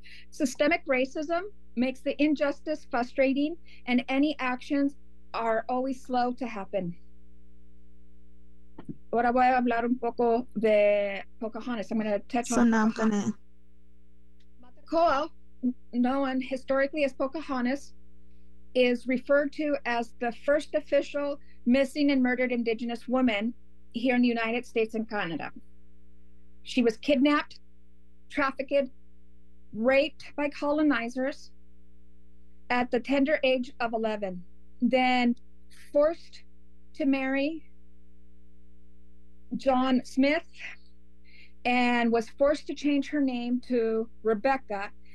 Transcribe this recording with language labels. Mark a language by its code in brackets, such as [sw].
[en] Systemic racism makes the injustice frustrating, and any actions are always slow to happen. [es] Ahora voy a hablar un poco de Pocahontas. [en] I'm going to touch on Pocahontas. Matakoa, known historically as Pocahontas, is referred to as the first official missing and murdered Indigenous woman here in the United States and Canada. She was kidnapped, trafficked, raped by colonizers at the tender age of 11, then forced to marry John Smith, and was forced to change her name to Rebecca.